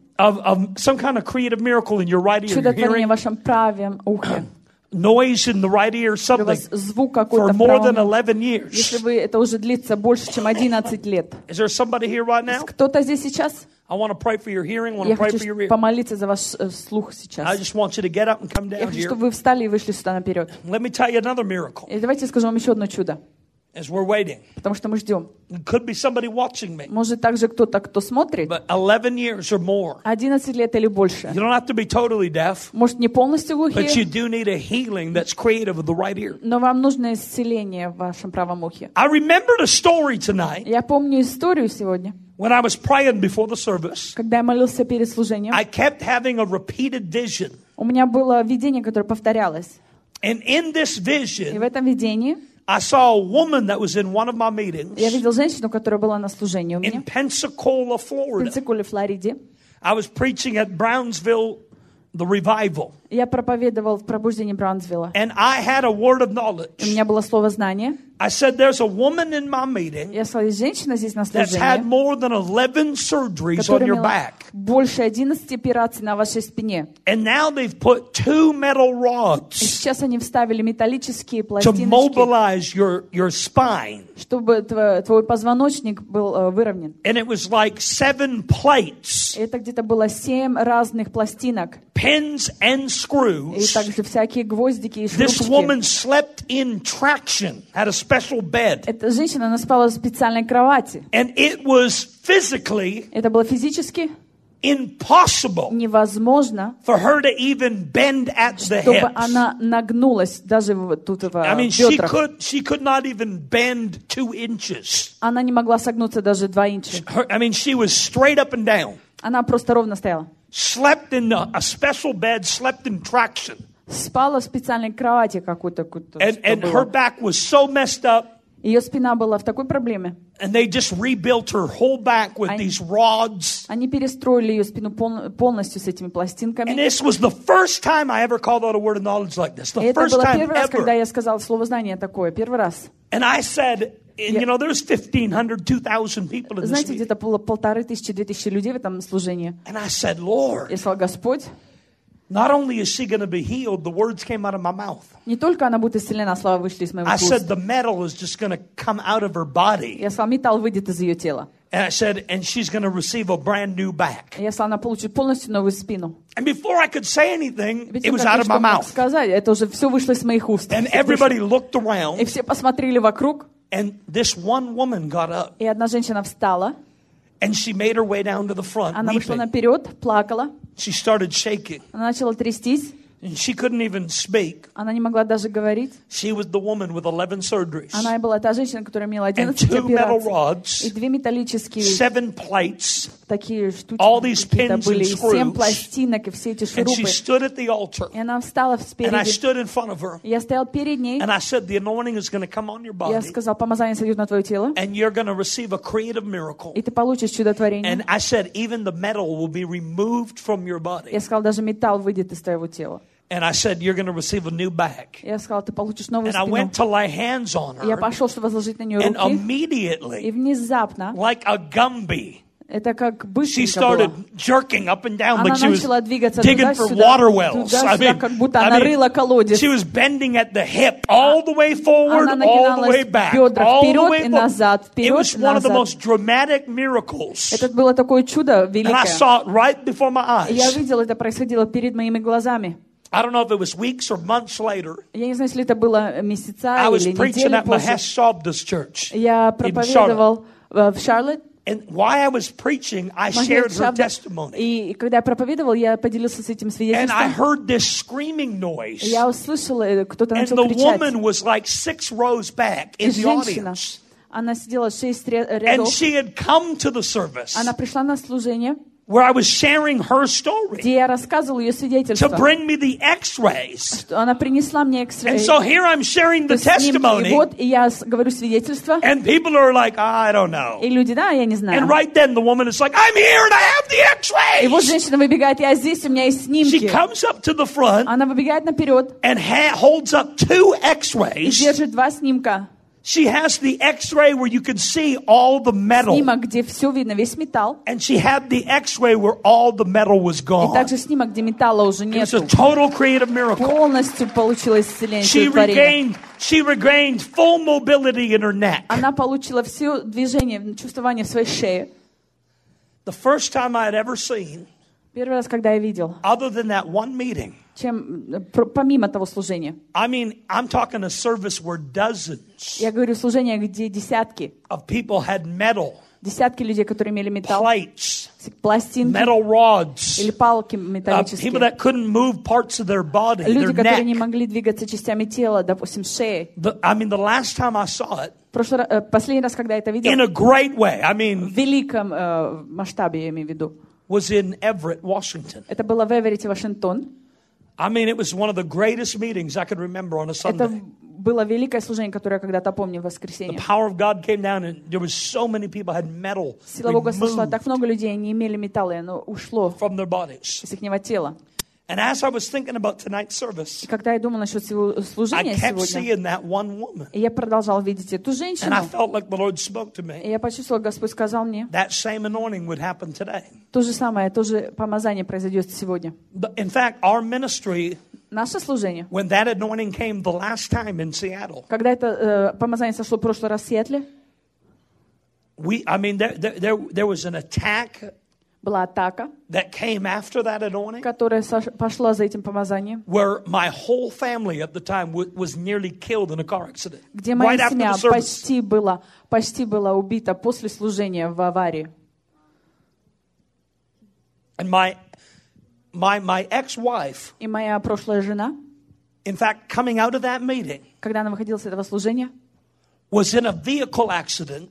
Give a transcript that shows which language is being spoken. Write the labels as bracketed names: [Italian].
[English] Of some kind of creative miracle in your right ear. [Russian] Чудотворение в вашем правом ухе. [English] Noise in the right ear, something. [Russian] Звук какой-то. [English] For more than 11 years. [Russian] Если вы это уже длится больше чем 11 лет. [English] Is there somebody here right now? [Russian] Кто-то здесь сейчас? [English] I want to pray for your hearing. I want to pray for your ear. [Russian] Я хочу помолиться за ваш слух сейчас. [English] I just want you to get up and come down here. [Russian] Я хочу, чтобы вы встали и вышли сюда наперед. [English] Let me tell you another miracle. [Russian] И давайте скажу вам еще одно чудо. [English] As we're waiting. [Russian] Потому что мы ждем. [English] It could be somebody watching me. [Russian] Может, также кто-то, кто смотрит. [English] But 11 years or more. [Russian] 11 лет или больше. [English] You don't have to be totally deaf. [Russian] Может, не полностью глухие. [English] But you do need a healing that's creative of the right ear. [Russian] Но вам нужно исцеление в вашем правом ухе. [English] I remembered a story tonight. [Russian] Я помню историю сегодня. [English] When I was praying before the service, [Russian] когда я молился перед служением, [English] I kept having a repeated vision. [Russian] У меня было видение, которое повторялось. [English] And in this vision, [Russian] и в этом видении, [English] I saw a woman that was in one of my meetings. [Russian] Я видел женщину, которая была на служении у меня. [English] In Pensacola, Florida. [Russian] В Пенсаколе, Флориде. [English] I was preaching at Brownsville, the revival. [Russian] Я проповедовал в пробуждении Браунсвилла. [English] And I had a word of knowledge. [Russian] У меня было слово знания. [English] I said there's a woman in my meeting. [Russian] Я сказал, есть женщина здесь на служении. [English] That's had more than 11 surgeries on your back. [Russian] Больше 11 операций на вашей спине. [English] And now they've put two metal rods. [Russian] И сейчас они вставили металлические пластиночки. [English] To mobilize your spine. [Russian] Чтобы твой позвоночник был выровнен. [English] And it was like 7 plates. [Russian] Это где-то было 7 разных пластинок. [English] Pins and screws. [Russian] И также всякие гвоздики и шурупчики. [English] This woman slept in traction. A special bed. [Russian] Эта женщина, она спала в специальной кровати. [English] And it was physically. [Russian] Это было физически. [English] Impossible. [Russian] Невозможно. [English] For her to even bend at the hips. [Russian] Чтобы она нагнулась даже тут в бедрах. [English] I mean, she could not even bend 2 inches. [Russian] Она не могла согнуться даже 2 инча. [English] I mean, she was straight up and down. [Russian] Она просто ровно стояла. [English] Slept in a special bed. Slept in traction. [Russian] Спала в специальной кровати какой-то. [English] And her back was so messed up. [Russian] Ее спина была в такой проблеме. [English] And they just rebuilt her whole back with these rods. [Russian] Они перестроили ее спину полностью с этими пластинками. [English] And this was the first time I ever called out a word of knowledge like this. [Russian] Это было первый раз, когда я сказал слово знания такое, первый раз. [English] And I said, and, you know, there's 1,500, 2,000 people in this meeting. [Russian] Знаете, где-то было 1,500-2,000 людей в этом служении. [English] And I said, Lord. [Russian] Я сказал, Господь. [English] Not only is she going to be healed, the words came out of my mouth. [Russian] Не только она будет исцелена, слова вышли из моего уст. [English] I said the metal is just going to come out of her body. [Russian] Я сказал, металл выйдет из ее тела. [English] And I said, and she's going to receive a brand new back. [Russian] Я сказал, она получит полностью новую спину. [English] And before I could say anything, it was out of my mouth. [Russian] Сказать, это уже все вышло из моих уст. [English] And everybody looked around. [Russian] И все посмотрели вокруг. [English] And this one woman got up. [Russian] И одна женщина встала. [English] And she made her way down to the front. [Russian] Она вышла наперед, плакала. [English] She started shaking. [Russian] Она начала трястись. [English] And she couldn't even speak. [Russian] Она не могла даже говорить. [English] She was the woman with 11 surgeries. [Russian] Она была та женщина, которая имела 11 операций. [English] And two metal rods. [Russian] И две металлические. [English] Seven plates. [Russian] Такие штучки. [English] All these pins and screws. [Russian] Семь пластинок и все эти шурупы. [English] And she stood at the altar. [Russian] И она встала впереди. [English] And I stood in front of her. [Russian] Я стоял перед ней. [English] And I said, the anointing is going to come on your body. [Russian] Я сказал, помазание сойдет на твое тело. [English] And you're going to receive a creative miracle. [Russian] И ты получишь чудотворение. [English] And I said, even the metal will be removed from your body. [Russian] Я сказал, даже металл выйдет из твоего тела. [English] And I said, you're going to receive a new back. [Russian] Я сказал, ты получишь новую спину. [English] And I went to lay hands on her. [Russian] Я пошел, чтобы возложить на нее руки. [English] And immediately, [Russian] и внезапно, [English] like a Gumby, [Russian] это как быстренько [English] she started [Russian] было. [English] Jerking up and down, [Russian] она [English] like she was [Russian] двигаться [English] digging [Russian] туда-сюда, [English] for water wells. [Russian] Туда-сюда, [English] I mean, [Russian] как будто она рыла колодец. [English] She was bending at the hip, all the way forward, all the way back, [Russian] бедра, [English] all the way [Russian] и назад, вперед, [English] it was [Russian] назад. [English] One of the most dramatic miracles. [Russian] Это было такое чудо великое. [English] And I saw it right before my eyes. [Russian] Я видел, это происходило перед моими глазами. [English] I don't know if it was weeks or months later. [Russian] Я не знаю, если это было месяца [English] I was preaching at Mahesh Shabda's church. [Russian] Я проповедовал в Charlotte. [English] And while I was preaching, I shared her testimony. [Russian] И когда я проповедовал, я поделился с этим свидетельством. [English] And I heard this screaming noise. [Russian] Я услышал, кто-то начал кричать. [English] And the woman was like six rows back in the audience. [Russian] Она сидела шесть рядов. [English] And she had come to the service. [Russian] Она пришла на служение. [English] Where I was sharing her story to bring me the x-rays. [Russian] Она принесла мне x-ray. [English] And so here I'm sharing the testimony. [Russian] Вот я говорю свидетельство. [English] And people are like, oh, I don't know. [Russian] И люди, да, я не знаю. [English] And right then the woman is like, I'm here and I have the x-rays. [Russian] И вот женщина выбегает, я здесь, у меня есть снимки. [English] She comes up to the front. [Russian] Она выбегает наперед. [English] And holds up two x-rays. [Russian] И держит два снимка. [English] She has the X-ray where you can see all the metal. [Russian] Снимок, где все видно, весь металл. [English] And she had the X-ray where all the metal was gone. [Russian] И также снимок, где металла уже нету. [English] It was a total creative miracle. [Russian] Полностью получилось исцеление. [English] She regained full mobility in her neck. [Russian] Она получила все движение, чувствование в своей шее. [English] The first time I had ever seen. [Russian] Первый раз, когда я видел. [English] Other than that one meeting. [Russian] Чем помимо того служения. [English] I mean, I'm talking a service where dozens. [Russian] Я говорю служение, где десятки. [English] Of people had metal. [Russian] Десятки людей, которые имели металл. [English] Plates. [Russian] Пластинки. [English] Metal rods. [Russian] Или палки металлические. [English] People that couldn't move parts of their body. [Russian] Люди, [English] their [Russian] которые Не могли двигаться частями тела, допустим, шеи. [English] I mean, the last time I saw it. [Russian] Последний раз, когда я это видел. [English] In a great way. I mean. [Russian] В великом масштабе, я имею в виду. [English] Was in Everett, Washington. [Russian] Это было в Эверетте, Вашингтон. [English] I mean, it was one of the greatest meetings I could remember on a Sunday. [Russian] Это было великое служение, которое я когда-то помню в воскресенье. [English] The power of God came down, and there was so many people had metal. [Russian] Сила Бога сошла, так много людей не имели металла, оно ушло. [English] From their bodies. [Russian] Из ихнего тела. [English] And as I was thinking about tonight's service, [Russian] и когда я думал насчет служения сегодня, [English] I kept seeing that one woman. [Russian] Я продолжал видеть эту женщину. [English] And I felt like the Lord spoke to me. [Russian] И я почувствовал, Господь сказал мне. [English] That same anointing would happen today. [Russian] То же самое, то же помазание произойдет сегодня. [English] In fact, our ministry, [Russian] наше служение, [English] when that anointing came the last time in Seattle, [Russian] когда это помазание сошло в прошлый раз в Сиэтле, [English] there was an attack. [Russian] Была атака, [English] that came after that anointing, [Russian] которая пошла за этим помазанием, [English] where my whole family at the time was nearly killed in a car accident. [Russian] Где моя [English] right [Russian] семья [English] after the service. [Russian] почти была убита после служения в аварии. [English] And my ex-wife. [Russian] И моя прошлая жена. [English] In fact, coming out of that meeting. [Russian] Когда она выходила с этого служения. [English] was in a vehicle accident.